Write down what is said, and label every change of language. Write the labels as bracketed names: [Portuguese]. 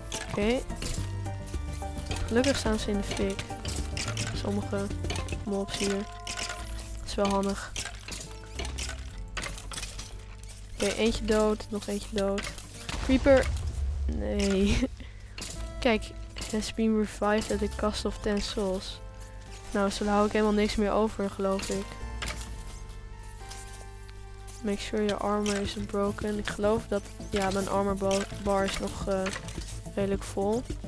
[Dutch] Oké. Gelukkig staan ze in de fik. Sommige mobs hier. Dat is wel handig. Oké, eentje dood, nog eentje dood. Creeper. Nee. [English] Kijk, has been revived at the cost of 10 souls. [Dutch] Nou, zo hou ik helemaal niks meer over, geloof ik. [English] Make sure your armor isn't broken. [Dutch] Ik geloof dat... Ja, mijn armor bar is nog redelijk vol.